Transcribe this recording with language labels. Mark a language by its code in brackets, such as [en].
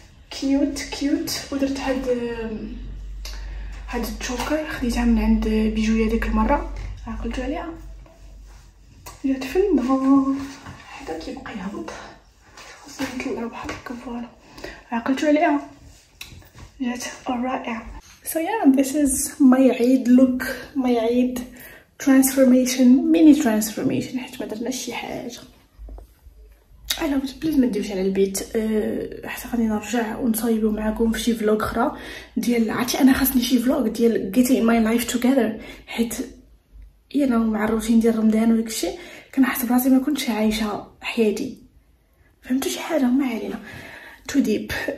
[ar] كيوت ودرت هاد التشوكر خديتها من عند بيجويا ديك المره عقلت عليها جات في النهار حدا كيبقى يهبط خاصني نطلع بحال هكا فوالا عقلت عليها جات رائعة. [en] So yeah this is my Eid look my Eid transformation mini transformation [ar] حيت ما درناش شي حاجه. أنا بس بليز ما نديوش على البيت حتى غادي نرجع ونصايبو معاكم في شي فلوغ اخرى ديال عرفتي انا خاصني شي فلوغ ديال [en] getting my life together [ar] حيت يعني مع الروتين ديال رمضان وداك الشيء كنحس براسي ما كنتش عايشه حياتي فهمتوا شي حاجه ما علينا تو ديب.